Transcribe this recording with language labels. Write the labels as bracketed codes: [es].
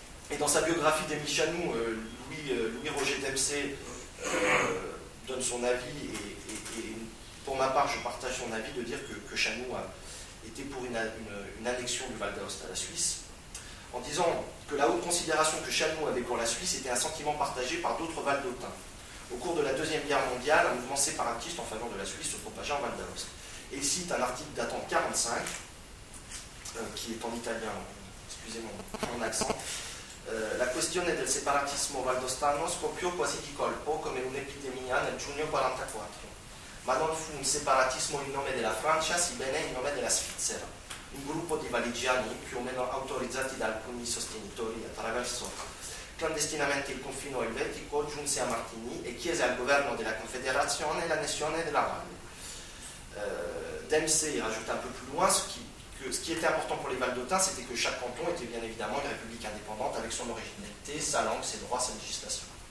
[fr] Et dans sa biographie d'Émile Chanon, Louis-Roger Dempsey donne son avis, et pour ma part, je partage son avis de dire que Chanon était pour une annexion du Val d'Aoste à la Suisse, en disant que la haute considération que Chanon avait pour la Suisse était un sentiment partagé par d'autres valdôtains. Au cours de la Deuxième Guerre mondiale, un mouvement séparatiste en faveur de la Suisse se propagea en Val d'Aoste. Et il cite un article datant de 1945, qui est en italien, excusez mon accent. [it] La questione del separatismo valdostano scoppiò quasi di colpo come un'epidemia nel giugno 44. Ma non fu un separatismo in nome della Francia, sebbene in nome della Svizzera. Un gruppo di valigiani, più o meno autorizzati da alcuni sostenitori attraverso clandestinamente il confine elvetico, giunse a Martigny e chiese al governo della Confederazione l'annessione della Valle. [fr] Dempsey rajoute un peu plus loin ce qui était important pour les Valdotins, c'était que chaque canton était bien évidemment une république indépendante avec son originalité, sa langue, ses droits, sa législation.